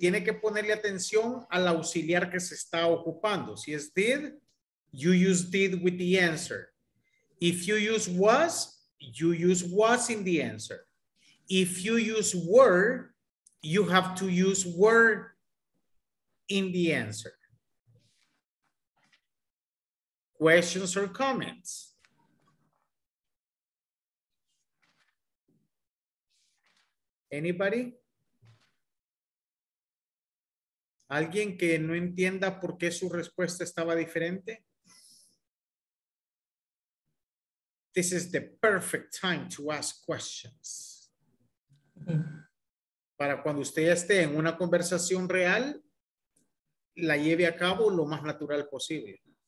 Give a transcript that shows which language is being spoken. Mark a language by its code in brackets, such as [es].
[es] Tiene que ponerle atención al auxiliar que se está ocupando. Si es [en] did, you use did with the answer. If you use was, you use was in the answer. If you use were, you have to use were in the answer. Questions or comments? Anybody? [es] ¿Alguien que no entienda por qué su respuesta estaba diferente? [en] This is the perfect time to ask questions. [es] Para cuando usted ya esté en una conversación real, la lleve a cabo lo más natural posible.